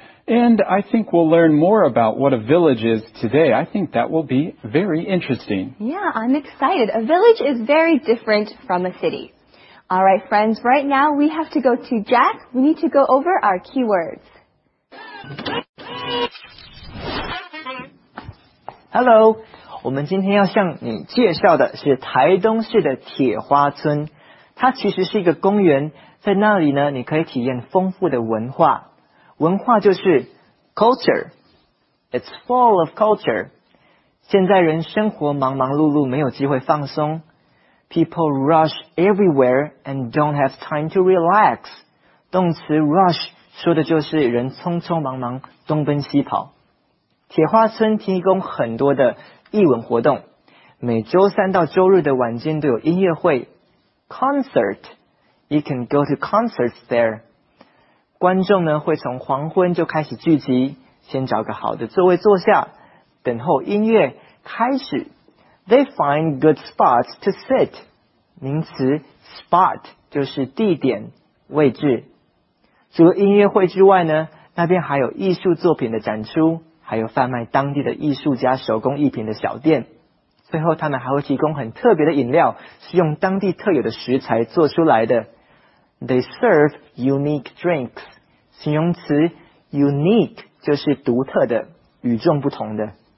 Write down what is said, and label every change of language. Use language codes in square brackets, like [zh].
[en] And I think we'll learn more about what a village is today. I think that will be very interesting. Yeah, I'm excited. A village is very different from a city. All right, friends, right now we have to go to Jack. We need to go over our keywords. Hello, [zh] 我们今天要向你介绍的是台东市的铁花村。它其实是一个公园，在那里呢，你可以体验丰富的文化。文化就是 [en] culture, it's full of culture. [zh] 现在人生活忙忙碌碌，没有机会放松。 [en] People rush everywhere and don't have time to relax. [zh] 动词 rush 说的就是人匆匆忙忙，东奔西跑。铁花村提供很多的艺文活动，每周三到周日的晚间都有音乐会 concert. [en] You can go to concerts there. [zh] 观众呢会从黄昏就开始聚集，先找个好的座位坐下，等候音乐开始。 [en] They find good spots to sit. [zh] 名词 spot 就是地点、位置。除了音乐会之外呢，那边还有艺术作品的展出，还有贩卖当地的艺术家手工艺品的小店。最后他们还会提供很特别的饮料，是用当地特有的食材做出来的。 [en] They serve unique drinks. [zh] 形容词 unique 就是独特的、与众不同的。